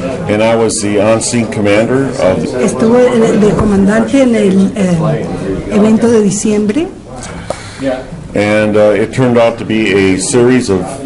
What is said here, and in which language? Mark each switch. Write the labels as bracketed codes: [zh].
[en] And I was the on-scene commander of the... [es] Estuvo de comandante en el evento de diciembre. [en] And it turned out to be a series of